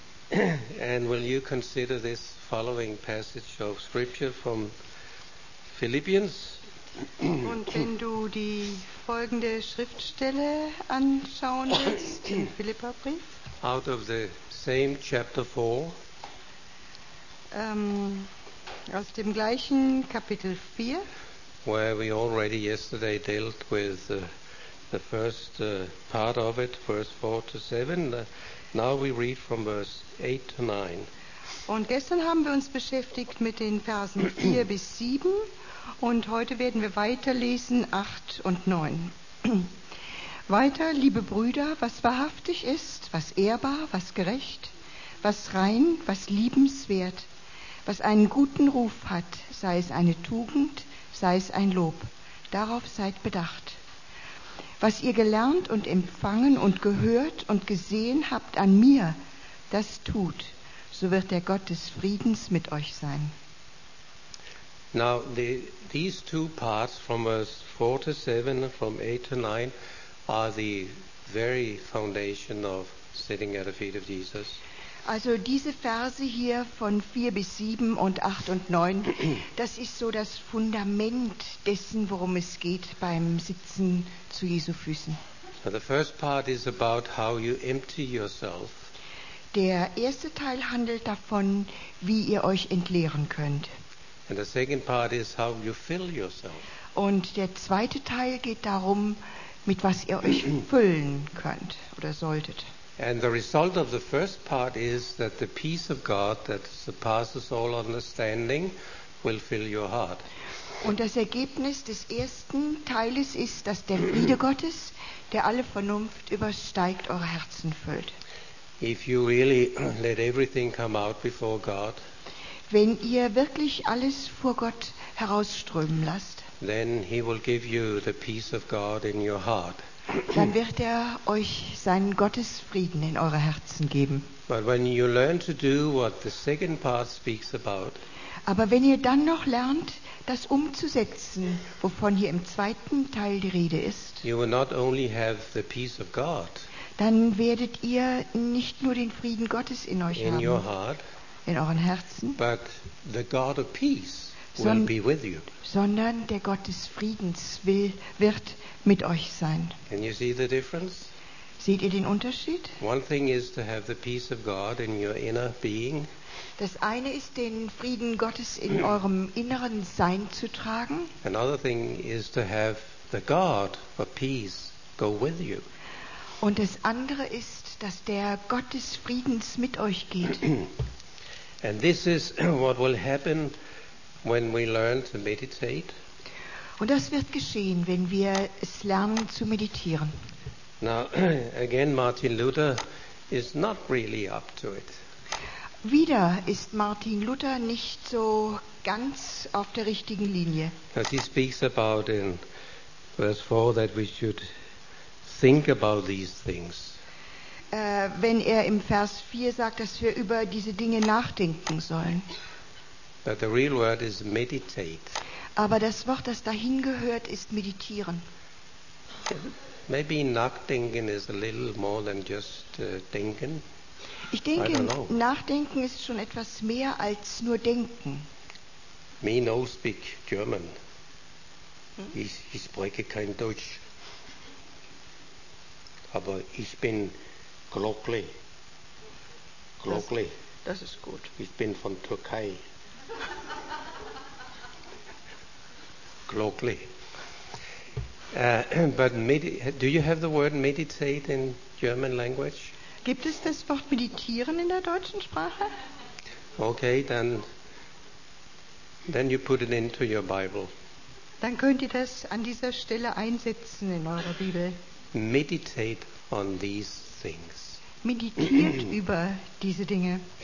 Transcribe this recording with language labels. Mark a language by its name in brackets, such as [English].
[English] And will you consider this following passage of scripture from Philippians? [German] Und wenn du die folgende Schriftstelle anschauen willst, den Philipperbrief. [English] Out of the same chapter 4. [German] Aus dem gleichen Kapitel 4, [English] where we already yesterday dealt with the first part of it, verse 4 to 7. Now we read from verse 8 to 9. [German] Und gestern haben wir uns beschäftigt mit den Versen 4 bis 7 und heute werden wir weiterlesen 8 und 9. Weiter, liebe Brüder, was wahrhaftig ist, was ehrbar, was gerecht, was rein, was liebenswert, was einen guten Ruf hat, sei es eine Tugend, sei es ein Lob. Darauf seid bedacht. Was ihr gelernt und empfangen und gehört und gesehen habt an mir, das tut, so wird der Gott des Friedens mit euch sein. [English] Now, these two parts from verse 4 to 7, from 8 to 9, are the very foundation of sitting at the feet of Jesus. [German] Also diese Verse hier von 4 bis 7 und 8 und 9, das ist so das Fundament dessen, worum es geht beim Sitzen zu Jesu Füßen. [English] So the first part is about how you empty yourself. [German] Der erste Teil handelt davon, wie ihr euch entleeren könnt. [English] And the second part is how you fill yourself. [German] Und der zweite Teil geht darum, mit was ihr euch füllen könnt oder solltet. [English] And the result of the first part is that the peace of God that surpasses all understanding will fill your heart. [German] Und das Ergebnis des ersten Teiles ist, dass der Friede Gottes, der alle Vernunft übersteigt, eure Herzen füllt. [English] If you really let everything come out before God, [German] wenn ihr wirklich alles vor Gott herausströmen lasst, [English] then he will give you the peace of God in your heart. [German] Dann wird er euch seinen Gottesfrieden in eure Herzen geben. [English] But when you learn to do what the second part speaks about, [German] aber wenn ihr dann noch lernt, das umzusetzen, wovon hier im zweiten Teil die Rede ist, [English] you will not only have the peace of God, [German] dann werdet ihr nicht nur den Frieden Gottes in euch [English] in [German] haben, [English] your heart, [German] in euren Herzen, [English] but the God of peace will be with you. [German] Sondern der Gott des Friedens wird mit euch sein. [English] Can you see the difference? [German] Seht ihr den Unterschied? [English] One thing is to have the peace of God in your inner being. [German] Das eine ist, den Frieden Gottes in eurem inneren Sein zu tragen. [English] Another thing is to have the God of peace go with you. [German] Und das andere ist, dass der Gott des Friedens mit euch geht. [English] And this is what will happen when we learn to meditate. [German] Und das wird geschehen, wenn wir es lernen zu meditieren. [English] Now, again, Martin Luther is not really up to it. [German] Wieder ist Martin Luther nicht so ganz auf der richtigen Linie. [English] As he speaks about in verse 4 that we should think about these things. [German] Wenn er im Vers 4 sagt, dass wir über diese Dinge nachdenken sollen. [English] But the real word is meditate. [German] Aber das Wort, das dahin gehört, ist meditieren. [English] Maybe nachdenken is a little more than just denken. [German] Ich denke, nachdenken ist schon etwas mehr als nur denken. [English] Me no speak German. [German] Ich spreche kein Deutsch. Aber ich bin glücklich. Glücklich. Das ist gut. Ich bin von Türkei. Glockly. [English] But do you have the word meditate in German language? [German] Gibt es das Wort meditieren in der deutschen Sprache? [English] Okay, then you put it into your Bible. [German] dann könnt ihr das an dieser Stelle einsetzen in eurer Bibel. [English] Meditate on these things. [German] Meditiert über diese Dinge.